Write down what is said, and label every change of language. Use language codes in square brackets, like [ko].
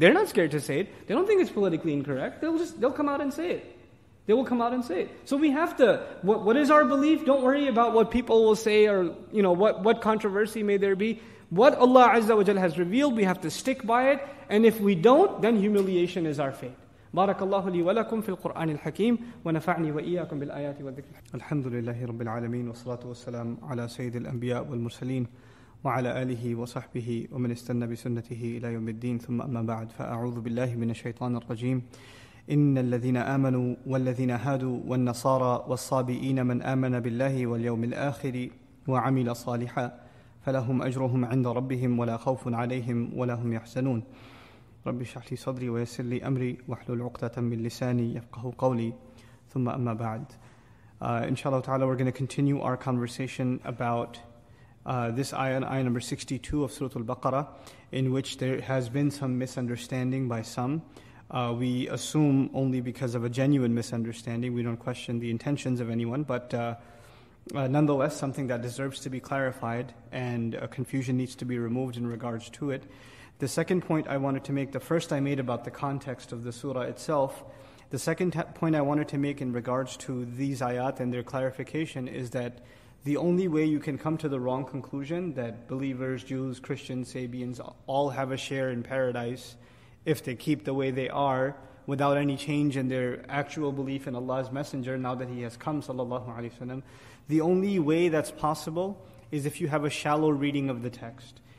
[en] They're not scared to say it. They don't think it's politically incorrect. They'll come out and say it. They will come out and say it. So we have to, what is our belief? Don't worry about what people will say, or you know what controversy may there be. What Allah Azza wa Jalla has revealed, we have to stick by it. And if we don't, then humiliation is our fate. [ar] بارك الله لي ولكم في القرآن الحكيم ونفعني وإياكم بالآيات والذكر الحمد لله رب العالمين والصلاة والسلام على سيد الأنبياء والمرسلين وعلى آله وصحبه ومن استنى بسنته إلى يوم الدين ثم أما بعد فأعوذ بالله من الشيطان الرجيم إن الذين آمنوا والذين هادوا والنصارى والصابئين من آمن بالله واليوم الآخر وعمل صالحا فلهم أجرهم عند ربهم ولا خوف عليهم ولا هم يحزنون رَبِّ شَحْ لِي صَدْرِي وَيَسِرْ لِي أَمْرِي وَحْلُوا الْعُقْدَةً مِّنْ لِسَانِي يَفْقَهُ قَوْلِي ثُمَّ أَمَّا بَعْدِ [en] Inshallah ta'ala, we're going to continue our conversation about this ayah number 62 of Surah Al-Baqarah, in which there has been some misunderstanding by some. We assume only because of a genuine misunderstanding. We don't question the intentions of anyone, but nonetheless, something that deserves to be clarified and confusion needs to be removed in regards to it. The second point I wanted to make, the first I made about the context of the surah itself, the second point I wanted to make in regards to these ayat and their clarification is that the only way you can come to the wrong conclusion that believers, Jews, Christians, Sabians all have a share in paradise if they keep the way they are without any change in their actual belief in Allah's Messenger now that he has come, sallallahu alayhi wa sallam, the only way that's possible is if you have a shallow reading of the text.